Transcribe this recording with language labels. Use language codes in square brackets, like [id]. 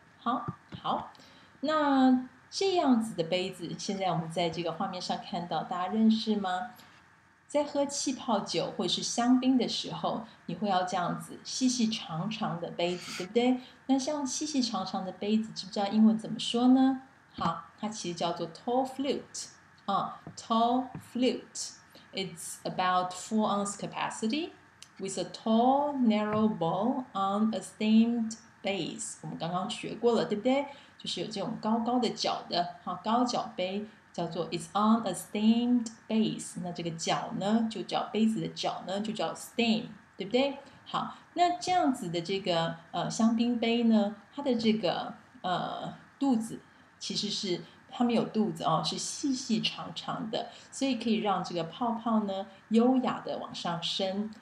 [zh] 好，好，那这样子的杯子，现在我们在这个画面上看到，大家认识吗？在喝气泡酒或是香槟的时候，你会要这样子细细长长的杯子，对不对？那像细细长长的杯子，知不知道英文怎么说呢？好，它其实叫做 tall flute 啊 ，tall flute. [en] It's about 4 ounce capacity with a tall narrow bowl on a stemmed base. [zh] 我们刚刚学过了，对不对？就是有这种高高的脚的，好，高脚杯。叫做 [en] it's on a stemmed base， [zh] 那这个脚呢，就叫杯子的脚呢，就叫 stem， 对不对？好，那这样子的这个香槟杯呢，它的这个肚子其实是它没有肚子哦，是细细长长的，所以可以让这个泡泡呢优雅的往上升。